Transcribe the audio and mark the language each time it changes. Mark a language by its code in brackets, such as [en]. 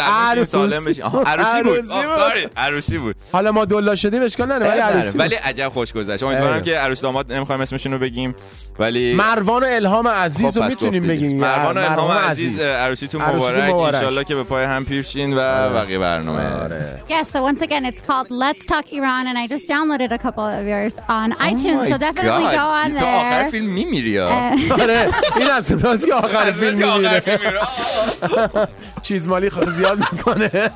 [fa] عروسی بود سوری عروسی بود حالا ما دولا شدیم اشکال نداره ولی عروسی ولی عجب خوش گذشت امیدوارم که عروس داماد نمیخوام اسمشونو بگیم ولی مروان و الهام عزیز رو میتونیم بگیم مروان و الهام عزیز عروسیتون مبارک انشالله که به پای هم پیرشین و بقیه برنامه [en] Yes, so once again it's called Let's Talk Iran and I just downloaded a couple of yours on iTunes so definitely go on there. [fa] تو آخر فیلم میمیری آره این از رازی آخر فیلم میمیری چیز مالی خود زیاد میکنه